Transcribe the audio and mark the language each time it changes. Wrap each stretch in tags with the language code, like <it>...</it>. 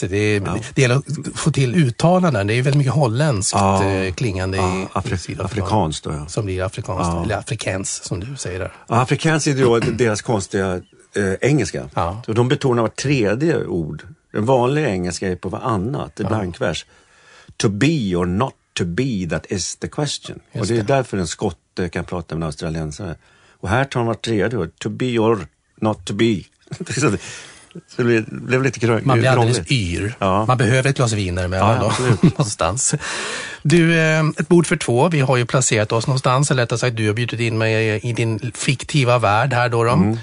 <sv>Det gäller att få till uttalarna. Det är ju väldigt mycket holländskt klingande. Afrikanskt då, ja. Som blir afrikanskt. Ja. Eller afrikans, som du säger där. Ja, afrikans är ju då deras konstiga engelska. Ja. Så de betonar var tredje ord. Den vanliga engelska är på varannat, det är blankvers.</sv> <en>To be or not to be, that is the question.</en> <sv>Just och det är därför en skotte kan prata med en australiensare. Och här tar man vart tredje ord.</sv> <en>To be or not to be.</en> <sv>Så det blev lite krångligt. Man blir alldeles yr. Ja. Man behöver ett glas viner med honom någonstans. Du, ett bord för två. Vi har ju placerat oss någonstans. Eller rättare sagt, du har bjudit in mig i din fiktiva värld här då.</sv>